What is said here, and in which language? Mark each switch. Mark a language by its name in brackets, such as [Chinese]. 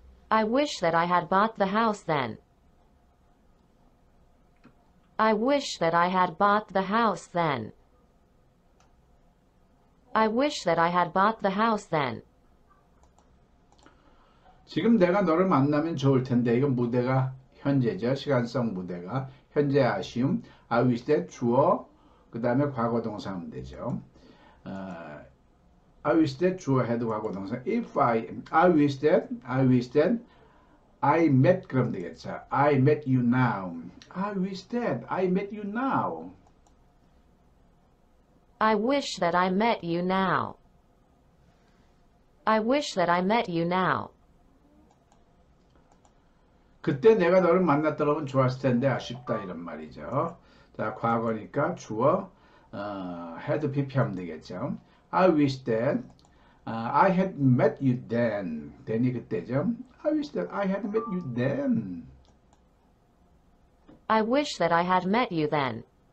[English] I wish that I had bought the house then. I wish that I had bought the house then. I wish that I had bought the house then. [Korean] 지금 내가 너를 만나면 좋을 텐데 이건 무대가 현재죠. 시간성 무대가 현재 아쉬움. [English] I wish that [Korean] 주어 그 다음에 과거 동사 하면 되죠. [English] I wish that [Korean] 주어 [English] had [Korean] 과거 동사. [English] If I wish that I met [Korean] 그럼 되겠죠. [English] I met you now. I wish that I met you now. I wish that I met you now. I wish that I met you now. [Korean] 그때 내가 너를 만났더라면 좋았을 텐데 아쉽다 이런 말이죠. 자, 과거니까 주어 [English] had PP [Korean] 하면 되겠죠. [English] I wish that I had met you then. Then이 [Korean] 그때죠. [English] I wish that I had met you then. I wish that I had met you then.